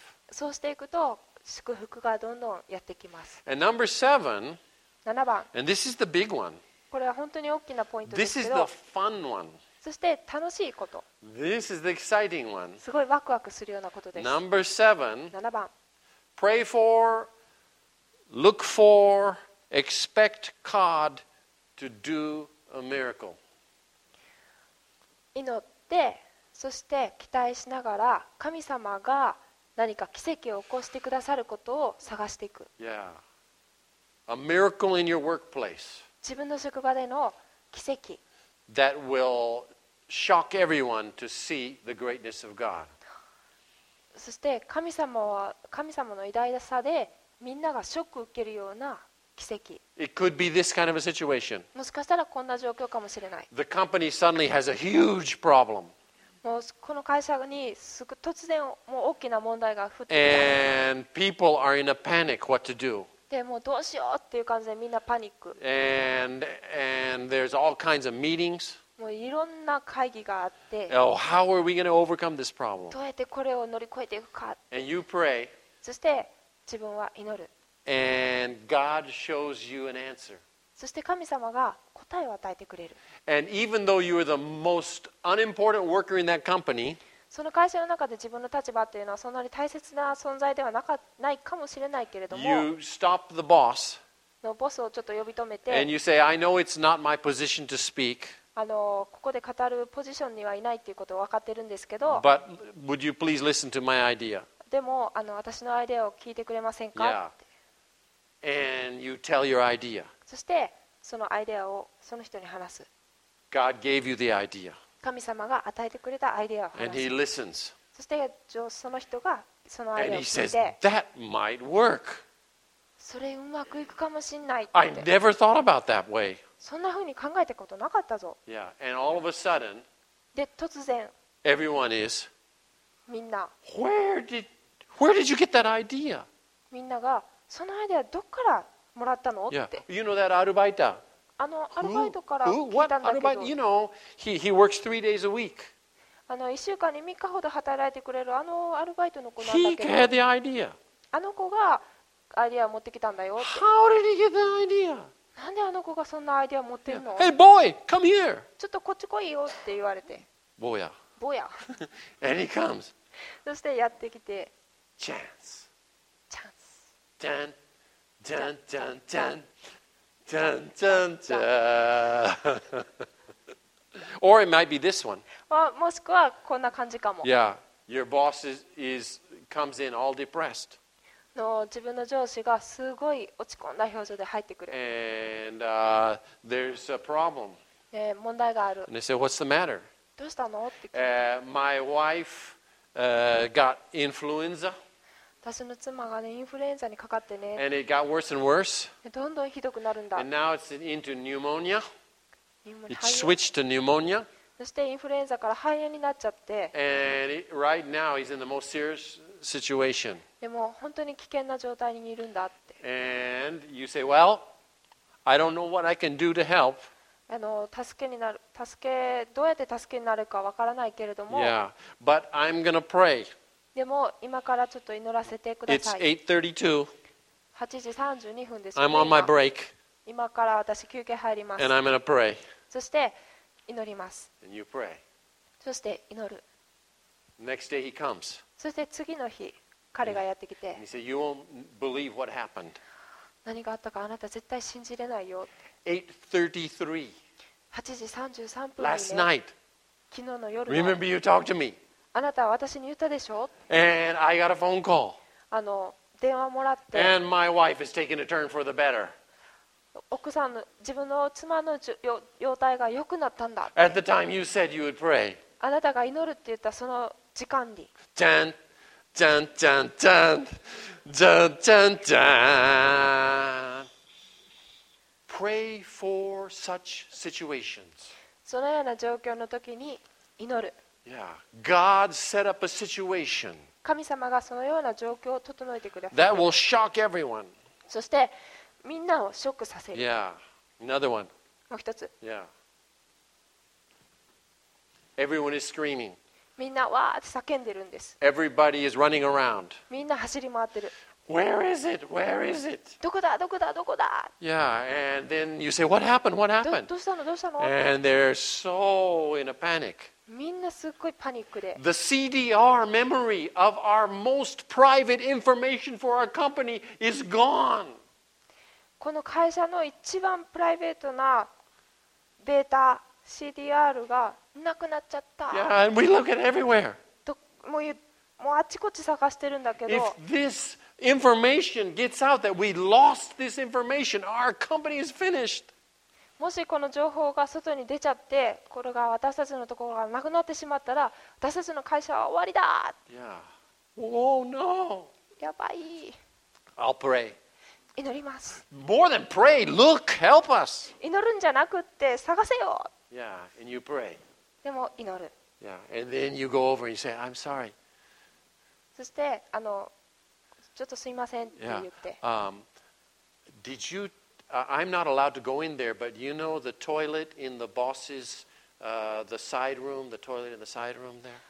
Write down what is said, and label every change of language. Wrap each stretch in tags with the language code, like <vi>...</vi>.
<ja>そうしていくと祝福がどんどんやってきます。</ja> <en>And number seven,</en> <ja>7番。</ja> <en>And this is the big one.</en> <ja>これは本当に大きなポイントですけど。</ja> <en>This is the fun one.</en> <ja>そして楽しいこと。</ja> <en>This is the exciting one.</en> <ja>すごいワクワクするようなことです。</ja> <en>Number seven,</en> <ja>7番。</ja> <en>Pray for, look for, expect God to do. A miracle.</en> <ja>祈って、そして期待しながら、神様が何か奇跡を起こしてくださることを探していく。</ja> <en>Yeah. A miracle in your workplace.</en> <ja>自分の職場での奇跡。</ja> <en>That will shock everyone to see the greatness of God.</en> <ja>そして神様は神様の偉大さでみんながショックを受けるような。</ja> <en>It could be this kind of a situation.</en> <ja>もしかしたらこんな状況かもしれない。</ja> <en>The company suddenly has a huge problem.</en> <ja>もうこの会社に突然もう大きな問題が降ってきた。</ja> <en>And people are in a panic what to do.</en> <ja>でもうどうしようっていう感じでみんなパニック。</ja> <en>And there's all kinds of meetings.</en> <ja>もういろんな会議があって。</ja> <en>Oh, how are we going to overcome this problem?</en> <ja>どうやってこれを乗り越えていくか。</ja> <en>And you pray.</en> <ja>そして自分は祈る。</ja> <en>And God shows you an answer.</en> <ja>そして神様が答えを与えてくれる。</ja> <en>And even though you are the most unimportant worker in that company,</en> <ja>その会社の中で自分の立場というのはそんなに大切な存在ではないかもしれないけれども、</ja> <en>you stop the boss,</en> <ja>のボスをちょっと呼び止めて、</ja> <en>and you say, I know it's not my position to speak,</en> <ja>ここで語るポジションにはいないということを分かってるんですけど。</ja> <en>But would you please listen to my idea?</en> <ja>でも私のアイデアを聞いてくれませんか。</ja> <en>Yeah. And you tell your idea.</en> <ja>そしてそのアイデアをその人に話す。</ja> <en>God gave you the idea.</en> <ja>神様が与えてくれたアイデアを話す。</ja> <en>And he listens.</en> <ja>そしてその人がそのアイデアを聞いて。</ja> <en>And he says that might work.</en> <ja>それうまくいくかもしれないって</ja> <en>。I never thought about that way.</en> <ja>そんな風に考えたことなかったぞ。</ja> <en>Yeah. And all of a sudden,</en> <ja>で突然</ja> <en>everyone is,</en> <ja>みんな</ja> <en>where did you get that idea?</en> <ja>みんながそのアイデアどっからもらったのって。</ja> <en>Yeah. You know that Arbeiter?</en> <ja>アルバイトから聞いたんだけど。</ja> <en>Who? Arbeiter? You know, he works 3 days a week.</en> <ja>1週間に3日ほど働いてくれるアルバイトの子なんだけど。</ja> <en>He had the idea.</en> <ja>子がアイデアを持ってきたんだよって。</ja> <en>How did he get the idea?</en> <ja>なんであの子がそんなアイデア持ってるの</ja> <en>Hey, boy, come here.</en> <ja>ちょっとこっち来いよって言われて坊や坊や</ja> <en>And he comes.</en> <ja>そしてやってきてチャンスチャンス</ja> <en>ジャンジャンジャンジャンジャンジャンジャン Or it might be this one.</en> <ja>もしくはこんな感じかも</ja> <en>Yeah, your boss is comes in all depressed.</en> <ja>自分の上司がすごい落ち込んだ表情で入ってくる。</ja> <en>And, there's a problem.</en> <ja>問題がある。</ja> <en>And they say, What's the matter?</en> <ja>どうしたのって聞い</ja> <en>て。My wife, got influenza.</en> <ja>私の妻が、ね、インフルエンザにかかってね。</ja> <en>And it got worse and worse.</en> <ja>どんどんひどくなるんだ。</ja> <en>And now it's into pneumonia. It switched to pneumonia.</en> <ja>そしてインフルエンザから肺炎になっちゃって。</ja> <en>And it, right now he's in the most serious situation.</en> <ja>でも本当に危険な状態にいるんだって。</ja> <en>And you say, well, I don't know what I can do to help.</en> <ja>助けになる、助け、どうやって助けになるかわからないけれども。</ja> <en>Yeah, but I'm gonna pray.</en> <ja>でも今からちょっと祈らせてください。</ja> <en>It's 8:32.</en> <ja>8時32分です</ja> <en>ね。I'm on my break.</en> <ja>今から私休憩入ります。</ja> <en>And I'm gonna pray.</en> <ja>そして祈ります。</ja> <en>And you pray.</en> <ja>そして祈る。</ja> <en>Next day he comes.</en> <ja>そして次の日。彼がやってきて、</ja> <en>He said, "You won't believe what happened."</en> <ja>何があったかあなた絶対信じれないよ。</ja> <en>8:33.</en> <ja>8時33分。</ja> <en>Last night.</en> <ja>昨日の夜。</ja> <en>Remember you talked to me.</en> <ja>あなたは私に言ったでしょ。</ja> <en>And I got a phone call.</en> <ja>電話もらって。</ja> <en>And my wife is taking a turn for the better.</en> <ja>奥さんの自分の妻の容態が良くなったんだ。</ja> <en>At the time you said you would pray.</en> <ja>あなたが祈るって言ったその時間に。</ja> <en>Ten.</en> <ja>じゃんじゃんじゃんじゃんじゃんじゃん。</ja> <en>Pray for such situations.</en> <ja>そのような状況の時に祈る。</ja> <en>Yeah. God set up a situation.</en> <ja>神様がそのような状況を整えてくれた。</ja> <en>That will shock everyone.</en> <ja>そしてみんなをショックさせる。</ja> <en>Yeah. Another one.</en> <ja>もう一つ。</ja> <en>Yeah. Everyone is screaming.</en> <ja>みんなわーって叫んでるんです。</ja> <en>Everybody is running around.</en> <ja>みんな走り回ってる。</ja> <en>Where is it? Where is it?</en> <ja>どこだどこだどこだ</ja> <en>Yeah, and then you say, what happened? What happened?</en> <ja>どうしたのどうしたの</ja> <en>And they're so in a panic.</en> <ja>みんなすっごいパニックで。</ja> <en>The CDR memory of our most private information for our company is gone.</en> <ja>この会社の一番プライベートなデータ、CDR がなくなっちゃった。</ja> <en>Yeah, and we look at everywhere.</en> <ja>もうあちこち探してるんだけど。</ja> <en>If this information gets out that we lost this information, our company is finished.</en> <ja>もしこの情報が外に出ちゃって、これが私たちのところがなくなってしまったら、私たちの会社は終わりだ。</ja> <en>Yeah. Oh no.</en> <ja>やばい。</ja> <en>I'll pray.</en> <ja>祈ります。</ja> <en>More than pray, look, help us.</en> <ja>祈るんじゃなくって探せよ。</ja> <en>Yeah, and you pray.</en> <ja>でも祈る。</ja> <en>Yeah, and then you go over and you say, I'm sorry. そしてちょっとすいませんって言って。 Yeah. Did you? I'm not allowed to go in there, but you know the toilet in the boss's the side room, the toilet in the side room there.</en>